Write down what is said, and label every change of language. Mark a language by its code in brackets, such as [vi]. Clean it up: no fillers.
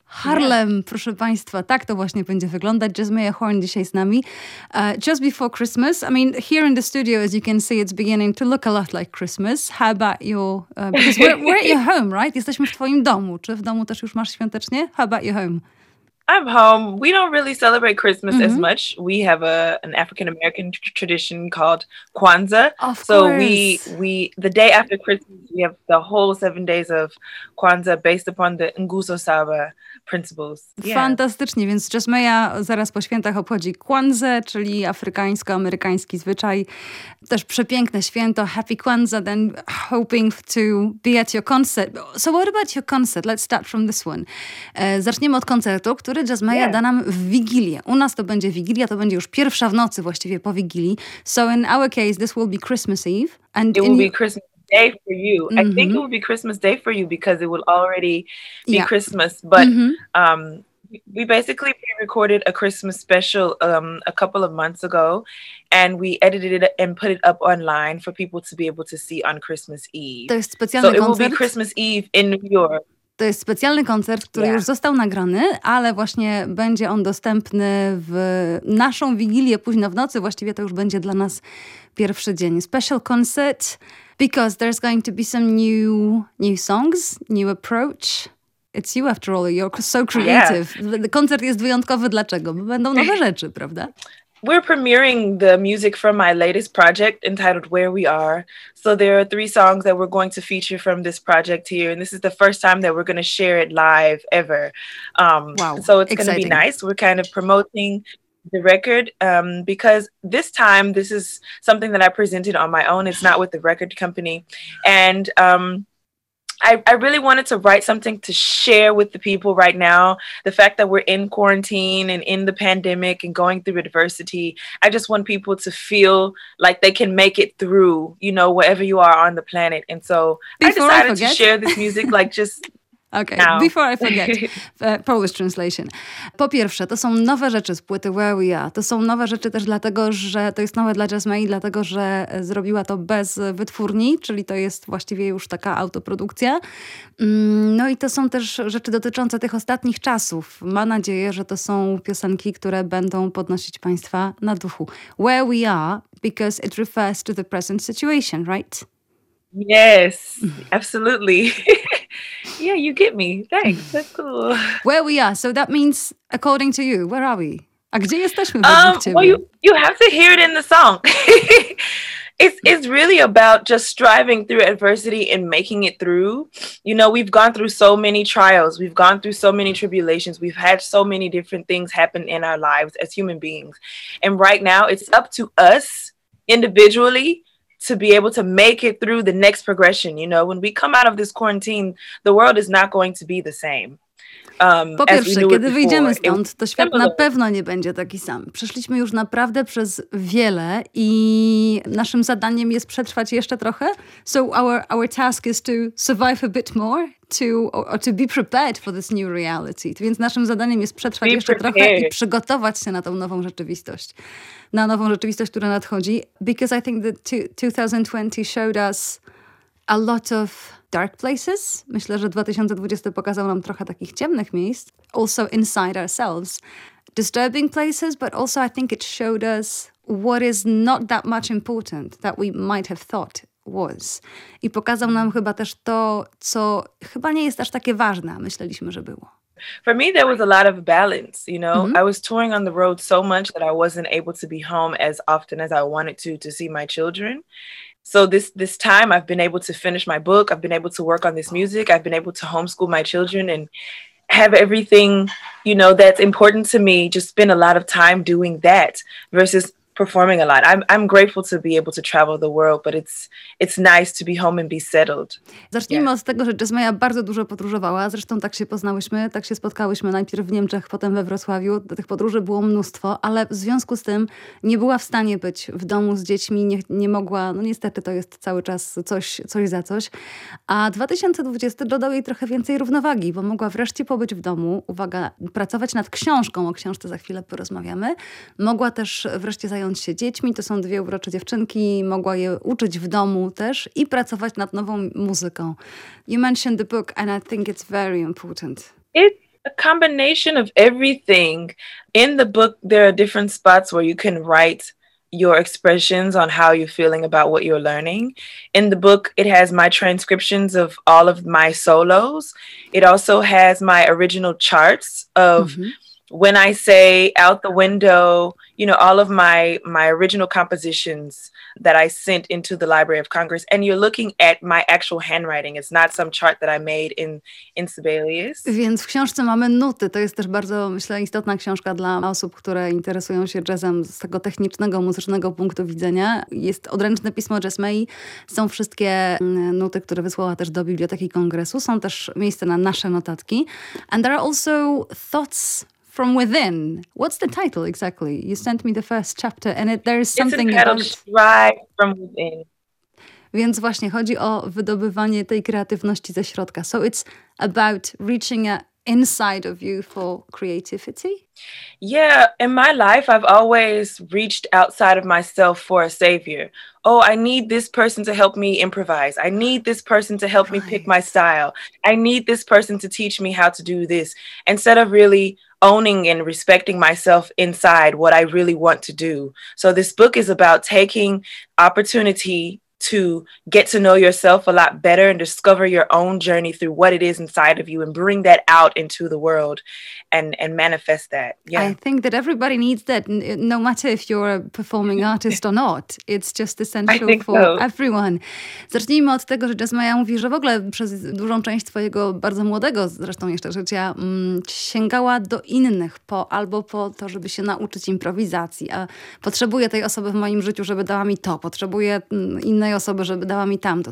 [pl] Harlem, proszę Państwa, tak to właśnie będzie wyglądać. Jasmia Horn dzisiaj z nami. [en] Just before Christmas, I mean, here in the studio, as you can see, it's beginning to look a lot like Christmas. How about your... because we're at your home, right? [pl] Jesteśmy w Twoim domu. Czy w domu też już masz świątecznie? [en] How about your home? I'm home. We don't really celebrate Christmas as much. We have an African American tradition called Kwanzaa. So we the day after Christmas, we have the whole 7 days of Kwanzaa based upon the Nguso Saba principles. Yeah. [pl] Fantastycznie, więc Jasmia zaraz po świętach obchodzi Kwanzaa, czyli afrykańsko-amerykański zwyczaj. Też przepiękne święto. [en] Happy Kwanzaa, then hoping to be at your concert. So what about your concert? Let's start from this one. [pl] Zaczniemy od koncertu, który Jasmia da nam w Wigilię. U nas to będzie Wigilia, to będzie już pierwsza w nocy właściwie po Wigilii. [en] So in our case, this will be Christmas Eve. It will be Christmas Day for you. Mm-hmm. I think it will be Christmas Day for you because it will already be Christmas. But we basically recorded a Christmas special a couple of months ago and we edited it and put it up online for people to be able to see on Christmas Eve. [pl] To jest specjalny koncert. [en] So it will be Christmas Eve in New York. [pl] To jest specjalny koncert, który już został nagrany, ale właśnie będzie on dostępny w naszą Wigilię późno w nocy. Właściwie to już będzie dla nas pierwszy dzień. [en] Special concert, because there's going to be some new songs, new approach. It's you after all, you're so creative. Yeah. [pl] Koncert jest wyjątkowy, dlaczego? Bo będą nowe rzeczy, prawda? [en] We're premiering the music from my latest project entitled Where We Are. So there are 3 songs that we're going to feature from this project here. And this is the first time that we're going to share it live ever. So it's going to be nice. We're kind of promoting the record because this time this is something that I presented on my own. It's not with the record company. And I really wanted to write something to share with the people right now. The fact that we're in quarantine and in the pandemic and going through adversity, I just want people to feel like they can make it through, you know, wherever you are on the planet. And so I decided to share this music like just... Okay, now. Before I forget, Polish translation. [pl] Po pierwsze, to są nowe rzeczy z płyty Where We Are. To są nowe rzeczy też dlatego, że to jest nowe dla Jasmia, dlatego że zrobiła to bez wytwórni, czyli to jest właściwie już taka autoprodukcja. No i to są też rzeczy dotyczące tych ostatnich czasów. Mam nadzieję, że to są piosenki, które będą podnosić Państwa na duchu. [en] Where We Are, because it refers to the present situation, right? Yes, absolutely. Yeah, you get me. Thanks. That's cool. Where we are. So that means, according to you, where are we? [pl] A gdzie jesteśmy? [en] You have to hear it in the song. It's really about just striving through adversity and making it through. You know, we've gone through so many trials. We've gone through so many tribulations. We've had so many different things happen in our lives as human beings. And right now, it's up to us individually to be able to make it through the next progression. You know, when we come out of this quarantine, the world is not going to be the same. [pl] Po pierwsze, kiedy wyjdziemy stąd, to świat na pewno nie będzie taki sam. Przeszliśmy już naprawdę przez wiele i naszym zadaniem jest przetrwać jeszcze trochę. [en] So our task is to survive a bit more, to be prepared for this new reality. [pl] Więc naszym zadaniem jest przetrwać jeszcze trochę i przygotować się na tą nową rzeczywistość. Na nową rzeczywistość, która nadchodzi. [en] Because I think that 2020 showed us a lot of dark places. [pl] Myślę, że 2020 pokazał nam trochę takich ciemnych miejsc. [en] Also inside ourselves. Disturbing places, but also I think it showed us what is not that much important that we might have thought was. [pl] I pokazał nam chyba też to, co chyba nie jest aż takie ważne, a myśleliśmy, że było. [en] For me, there was a lot of balance, you know. Mm-hmm. I was touring on the road so much that I wasn't able to be home as often as I wanted to see my children. So this time I've been able to finish my book, I've been able to work on this music, I've been able to homeschool my children and have everything, you know, that's important to me, just spend a lot of time doing that versus performing a lot. I'm grateful to be able to travel the world, but it's nice to be home and be settled. [pl] Zacznijmy od tego, że Jasmaja bardzo dużo podróżowała. Zresztą tak się poznałyśmy, tak się spotkałyśmy najpierw w Niemczech, potem we Wrocławiu. Tych podróży było mnóstwo, ale w związku z tym nie była w stanie być w domu z dziećmi, nie mogła, no niestety to jest cały czas coś za coś. A 2020 dodał jej trochę więcej równowagi, bo mogła wreszcie pobyć w domu, uwaga, pracować nad książką, o książce za chwilę porozmawiamy. Mogła też wreszcie zająć się dziećmi, to są dwie urocze dziewczynki, mogła je uczyć w domu też i pracować nad nową muzyką. [en] You mentioned the book and I think it's very important. It's a combination of everything. In the book there are different spots where you can write your expressions on how you're feeling about what you're learning. In the book it has my transcriptions of all of my solos. It also has my original charts of when I say out the window, you know, all of my original compositions that I sent into the Library of Congress, and you're looking at my actual handwriting. It's not some chart that I made in Sibelius. [pl] Więc w książce mamy nuty. To jest też bardzo, myślę, istotna książka dla osób, które interesują się jazzem z tego technicznego, muzycznego punktu widzenia. Jest odręczne pismo Jasmei. Są wszystkie nuty, które wysłała też do Biblioteki Kongresu. Są też miejsce na nasze notatki. [en] And there are also thoughts from within. What's the title exactly? You sent me the first chapter and there is something about... From within. [pl] Więc właśnie chodzi o wydobywanie tej kreatywności ze środka. [en] So it's about reaching inside of you for creativity? Yeah, in my life I've always reached outside of myself for a savior. Oh, I need this person to help me improvise. I need this person to help me pick my style. I need this person to teach me how to do this. Instead of really owning and respecting myself inside what I really want to do. So this book is about taking opportunity to get to know yourself a lot better and discover your own journey through what it is inside of you and bring that out into the world and manifest that. Yeah. I think that everybody needs that, no matter if you're a performing artist or not. It's just essential for everyone. [pl] Zacznijmy od tego, że Jasmaja mówi, że w ogóle przez dużą część swojego bardzo młodego zresztą jeszcze życia sięgała do innych albo po to, żeby się nauczyć improwizacji. A potrzebuję tej osoby w moim życiu, żeby dała mi to. Potrzebuję innych osoby, żeby dała mi tamto.